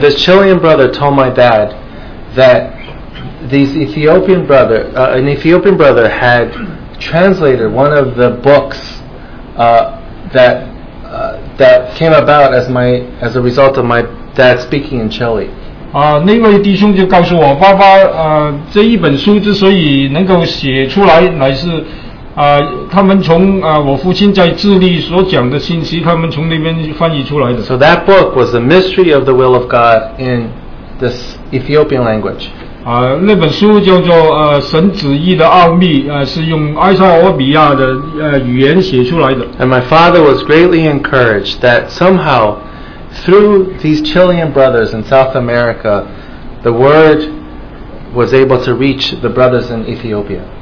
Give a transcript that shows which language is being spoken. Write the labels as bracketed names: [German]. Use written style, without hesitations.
[English] And the Chilean brother told my dad that these Ethiopian brother, an Ethiopian brother had translated one of the books that came about as a result of my dad speaking in Chile. [Chinese] 那位弟兄就告诉我爸爸，这一本书之所以能够写出来，乃是他们从我父亲在智利所讲的信息，他们从那边翻译出来的。 [English] So that book was a mystery of the will of God in this Ethiopian language. [Chinese] 那本书叫做神旨意的奥秘，是用埃塞俄比亚的语言写出来的。 [English] And my father was greatly encouraged that somehow through these Chilean brothers in South America, the word was able to reach the brothers in Ethiopia.